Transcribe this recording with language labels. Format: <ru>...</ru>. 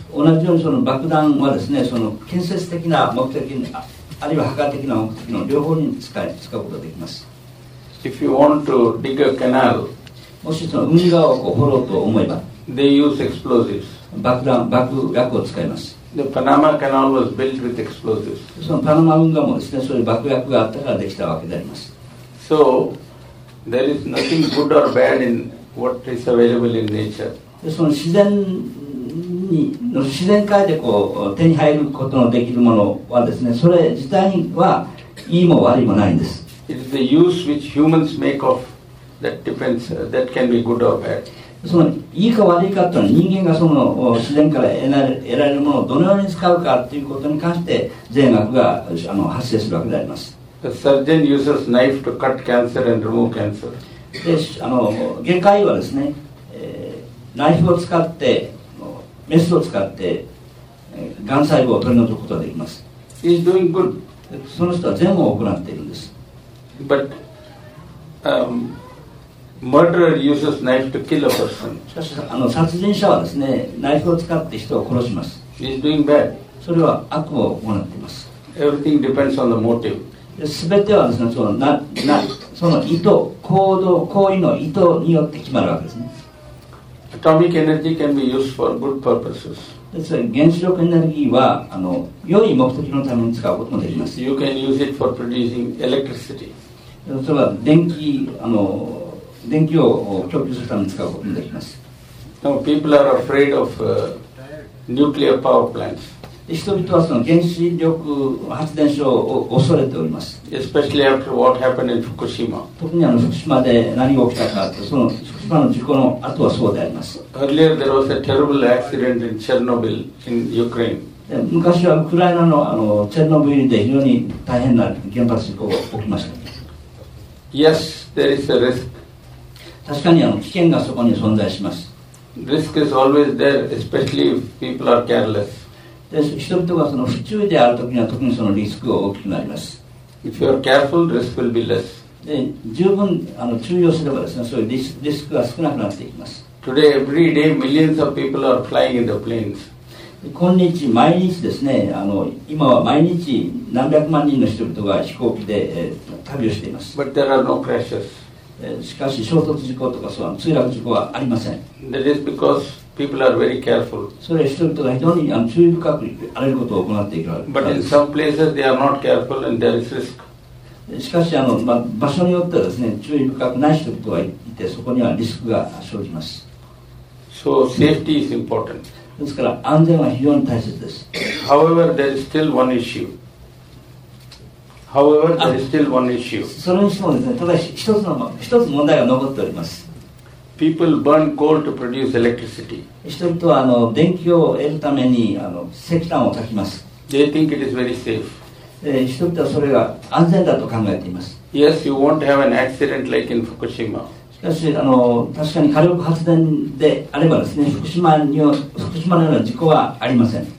<ja>同じようにその爆弾はですね、その建設的な目的に、あるいは破壊的な目的の両方に使うことができます。</ja> <en>If you want to dig a canal,</en> <ja>もしその海側をこう掘ろうと思えば、</ja> <en>they use explosives.</en> <ja>爆薬を使います。</ja> <en>The Panama Canal was built with explosives.</en> <ja>そのパナマ運河もですね、そういう爆薬があったからできたわけであります。</ja> <en>So there is nothing good or bad in what is available in nature.</en> <ja>でその自然に、自然界でこう手に入ることのできるものはですね、それ自体はいいも悪いもないんです。</ja> <en>It is the use which humans make of that depends, that can be good or bad.</en> <ja>そのいいか悪いかというのは、人間がその自然から得られるものをどのように使うかということに関して善悪が発生するわけであります。</ja> <en>The surgeon uses knife to cut cancer and remove cancer.</en> <ja>で外科医はですね、ナイフを使ってメスを使ってがん細胞を取り除くことができます。</ja> <en>He's doing good.</en> <ja>その人は善を行っているんです。</ja> <en>ButMurderer uses knife to kill a person.</en> <ja>しかし殺人者はですね、ナイフを使って人を殺します。</ja> <en>He's doing bad.</en> <ja>それは悪を行っています。</ja> <en>Everything depends on the motive.</en> <ja>全てはですね、その意図、行為の意図によって決まるわけですね。</ja> <en>Atomic energy can be used for good purposes.</en> <ja>ですから原子力エネルギーは良い目的のために使うこともできます。</ja> <en>You can use it for producing electricity.</en> <ja>それは電気を供給するために使うことができます。</ja> <en>No, people are afraid of nuclear power plants.</en> <ja>人々はその原子力発電所を恐れております。</ja> <en>Especially after what happened in Fukushima.</en> <ja>特に福島で何が起きたかって、その福島の事故の後はそうであります。</ja> <en>Earlier there was a terrible accident in Chernobyl in Ukraine.</en> <ja>昔はウクライナのチェルノブイリで非常に大変な原発事故が起きました。</ja> <en>Yes, there is a risk.</en> <ja>確かに危険がそこに存在します。</ja> <en>Risk is always there, especially if people are careless.</en> <ja>で人々がその不注意であるときには特にそのリスクが大きくなります。</ja> <en>If you are careful, risk will be less.</en> <ja>で十分注意をすればですね、そういうリスクが少なくなっていきます。</ja> <en>Today, every day, millions of people are flying in the planes.</en> <ja>今日毎日ですね、今は毎日何百万人の人々が飛行機で旅をしています。</ja> <en>But there are no crashes.</en> <ja>しかし衝突事故とか墜落事故はありません。</ja> <en>That is because people are very careful.</en> <ja>それは人々が非常に注意深くあれることを行っているわけです。</ja> <en>But in some places they are not careful and there is risk.</en> <ja>しかし場所によってはですね、注意深くない人々がいて、そこにはリスクが生じます。</ja> <en>So safety is important.</en> <ja>ですから安全は非常に大切です。</ja> <en>However, there is still one issue. However, there is still one issue.</en> <ja>それにしてもですね、ただ一つ問題が残っております。</ja> <en>People burn coal to produce electricity.</en> <ja>人々は電気を得るために石炭を焚きます。</ja> <en>They think it is very safe.</en> <ja>人々はそれが安全だと考えています。</ja> <en>Yes, you won't have an accident like in Fukushima.</en> <ja>しかし確かに火力発電であればですね、福島のような事故はありません。</ja>